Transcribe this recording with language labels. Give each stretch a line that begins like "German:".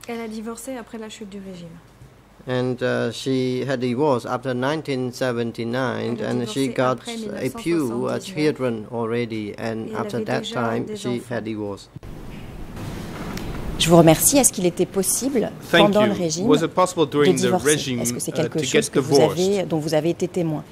French: Elle a divorcé après la chute du régime.
English: And she had divorced after 1979, and she got a few children already, and after that time, she had divorced.
French: Je vous remercie. Est-ce qu'il était possible pendant le régime de divorcer? Est-ce que c'est quelque chose que vous avez, dont vous avez été témoin?